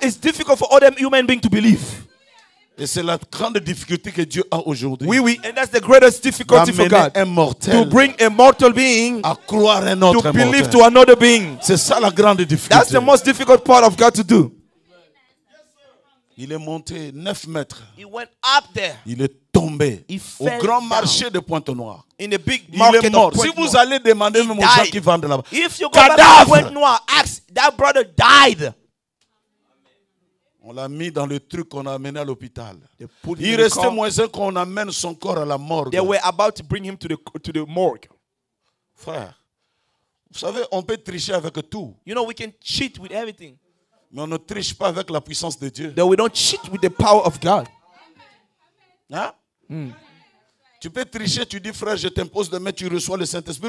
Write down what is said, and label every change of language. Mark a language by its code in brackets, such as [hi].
[en] it's difficult for other human beings to believe. [fr] Et c'est la grande difficulté que Dieu a aujourd'hui. [en] Oui, oui. And that's the greatest difficulty for God. [fr] Un mortel. [en] To bring a mortal being. [fr] À croire un autre mortel. [en] To believe to another being. [fr] C'est ça la grande difficulté. [en] That's the most difficult part of God to do. [fr] Il est monté 9 mètres. [en] He went up there. [fr] Il est tombé. [en] He [fr] au grand [en] down. [fr] Marché de Pointe-Noire. [en] In the big market [fr] Il est mort. [en] Of [fr] si vous allez demander même aux gens qui vendent là-bas. [en] If you go to Pointe-Noire, ask, that brother died. [fr] On l'a mis dans le truc qu'on a amené à l'hôpital. Il restait moins un qu'on amène son corps à la morgue. [en] They were about to bring him to the morgue. [fr] Frère, vous savez, on peut tricher avec tout. [en] You know, we can cheat with everything. [fr] Mais on ne triche pas avec la puissance de Dieu. [en] That we don't cheat with the power of God. Hein? Mm. [fr] Tu peux tricher, tu dis frère, je t'impose demain, tu reçois le Saint-Esprit.